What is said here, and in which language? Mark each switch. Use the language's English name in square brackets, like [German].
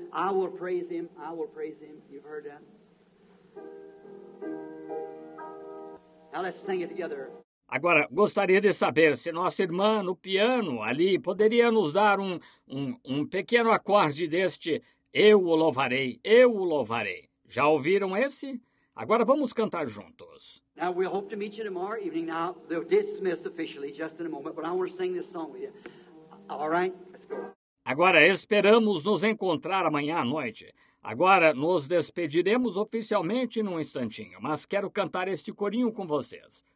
[English] I will praise him, I will praise him. You've heard that? Now let's sing it together. [Portuguese] Agora, gostaria de saber se nossa irmã no piano ali poderia nos dar um pequeno acorde deste Eu o louvarei, eu o louvarei. Já ouviram esse? Agora vamos cantar juntos. [English] Now we hope to meet you tomorrow evening. Now they'll dismiss officially just in a moment, but I want to sing this song with you. All right, let's go. [Portuguese] Agora esperamos nos encontrar amanhã à noite. Agora nos despediremos oficialmente num instantinho, mas quero cantar este corinho com vocês.